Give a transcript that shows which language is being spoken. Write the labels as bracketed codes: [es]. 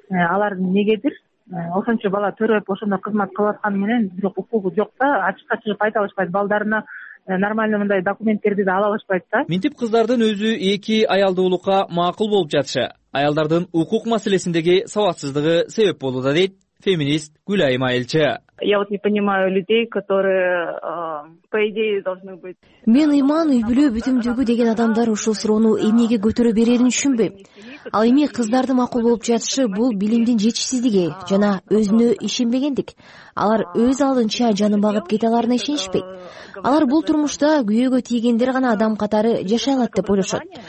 [ky] Алар эмнегедир ошончо бала төрөп ошондо кызмат кылып атканы менен бирок укугу жок да, ачыкка чыгып айта алышпайт, балдарына нормально мындай документтерди да ала алышпайт да. Минтип кыздардын өзү эки аялдуулукка макул болуп жатышы аялдардын укук маселесиндеги сабатсыздыгы себеп болууда дейт феминист Гүлайым Айылчы. [ru] Я вот не понимаю людей, которые по идее должны быть. [ky] Мен ыйман үй бүлө бүтүмдүгү деген адамдар ушул суроону эмнеге көтөрө берерин түшүнбөйм. Ал эми кыздарды макул болуп жатышы бул билимдин жетишсиздиги жана өзүнө ишенбегендик. Алар өз алдынча жанын багып кете аларына ишенишпейт. Алар бул турмушта күйөөгө тийгендер гана адам катары жашай алат деп ойлошот.